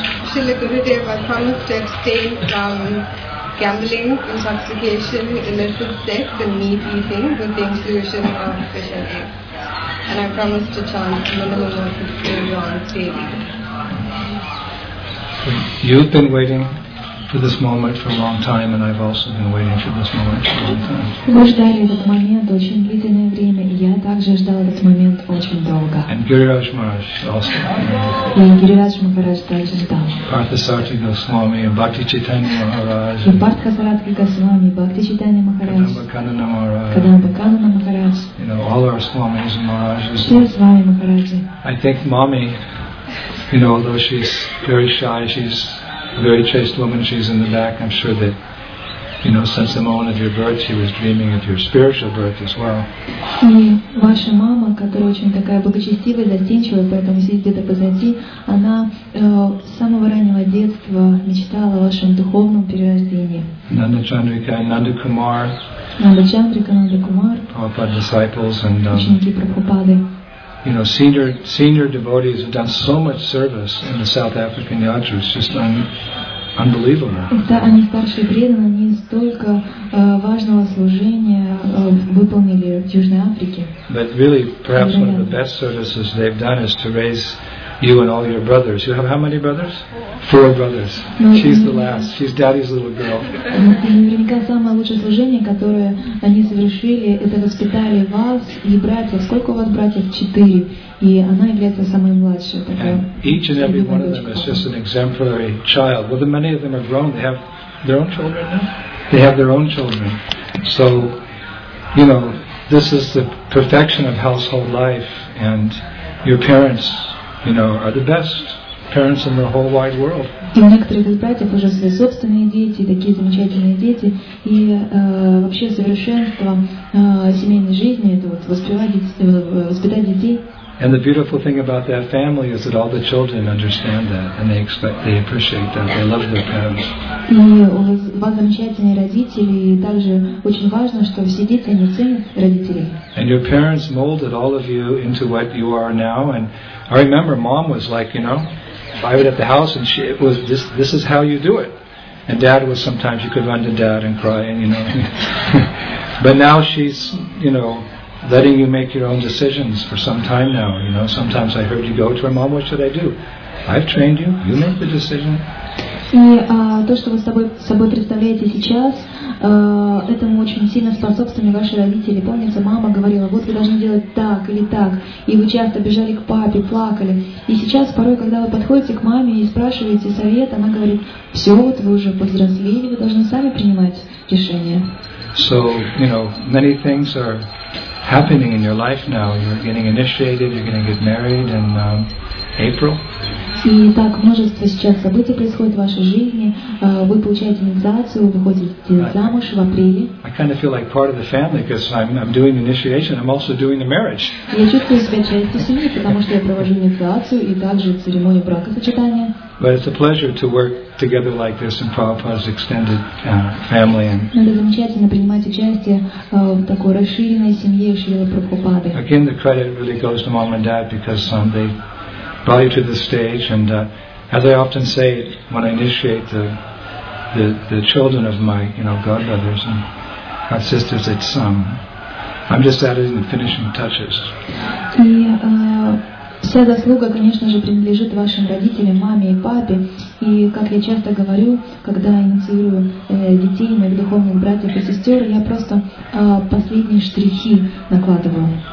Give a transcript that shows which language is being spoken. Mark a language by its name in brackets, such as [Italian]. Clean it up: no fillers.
[English] Shrila Gurudev, I promised to abstain from gambling, intoxication, illicit sex, and meat eating with the inclusion of fish and eggs. And I promise to chant minimum of 15 rounds daily. You've been waiting for this moment for a long time, and I've also been waiting for this moment for a long time. [Russian] Мы ждали этот момент очень длительное время, и я также ждал этот момент очень долго. [English] And Гирирадж Махарадж also. [Russian] И Гирирадж Махарадж также ждал. Партхасарати Госвами, Бхакти Чайтанья Махарадж. И Партхасарати Госвами, Бхакти Чайтанья Махарадж. Кадамбакана Махарадж. Кадамбакана Махарадж. [English] You know, all our Swamis and Maharajas. [Russian] Все Свами Махараджи. [English] I think Mommy, you know, although she's very shy, she's a very chaste woman, she's in the back. I'm sure that, you know, since the moment of your birth, she was dreaming of your spiritual birth as well. [Russian] И ваша мама, которая очень такая благочестивая, застенчивая, поэтому сидит где-то позади, она с самого раннего детства мечтала о вашем духовном перерождении. [English] Nanda Chandrika and Nanda Kumar. Nanda Chandrika and Nanda Kumar. Prabhupada disciples and. [Russian] Ученики Прабхупады. [English] You know, senior devotees have done so much service in the South African Yatra. It's just unbelievable. [Russian] Это они старшие преданные, они столько важного служения выполнили в Южной Африке. [English] But really, perhaps one of the best services they've done is to raise you and all your brothers. You have how many brothers? Four brothers. She's the last. She's daddy's little girl. [Russian] Наверняка самое лучшее служение, которое они совершили, это воспитали вас и братьев. Сколько у вас братьев? Четыре. И она является самой младшей. [English] Each and every one of them is just an exemplary child. Well, many of them are grown. They have their own children now. They have their own children. So, you know, this is the perfection of household life, and your parents, you know, are the best parents in the whole wide world. [Russian] И у некоторых из братьев уже свои собственные дети, такие замечательные дети, и вообще совершенство семейной жизни это вот воспитать детей. [English] And the beautiful thing about that family is that all the children understand that, and they expect, they appreciate that, they love their parents. [Russian] И у вас замечательные родители, и также очень важно, что все дети они ценят родителей. [English] And your parents molded all of you into what you are now, and I remember mom was like, you know, I was at the house and she, it was this is how you do it. And dad was sometimes you could run to dad and cry and you know. But now she's, you know, letting you make your own decisions for some time now, you know. Sometimes I heard you go to her, mom, what should I do? I've trained you, you make the decision. [Russian] И то, что вы собой представляете сейчас, этому очень сильно способствовали ваши родители. Помните, мама говорила, вот вы должны делать так или так. И вы часто бежали к папе, плакали. И сейчас, порой, когда вы подходите к маме и спрашиваете совет, она говорит, все, вот вы уже повзрослели, вы должны сами принимать решение. [English] So, you know, many things are happening in your life now. You're getting initiated, you're going to get married in April. [Russian] И так множество сейчас событий происходит в вашей жизни. Вы получаете инициацию, вы выходите замуж в апреле. [English] I kind of feel like part of the family because I'm doing initiation. I'm also doing the marriage. [Russian] Я чувствую себя частью семьи, потому что я провожу инициацию и также церемонию бракосочетания. [English] But it's a pleasure to work together like this in Prabhupada's extended family. [Russian] Это замечательно принимать участие в такой расширенной семье Шрилы Прабхупады. [English] Again, the credit really goes to mom and dad because they brought you to this stage, and as I often say, when I initiate the children of my, you know, godbrothers and god sisters, it's I'm just adding the finishing touches. [Russian] И вся заслуга, конечно же, принадлежит вашим родителям, маме и папе. И как я часто говорю, когда инициирую детей моих духовных братьев и сестер, я просто последние штрихи накладываю.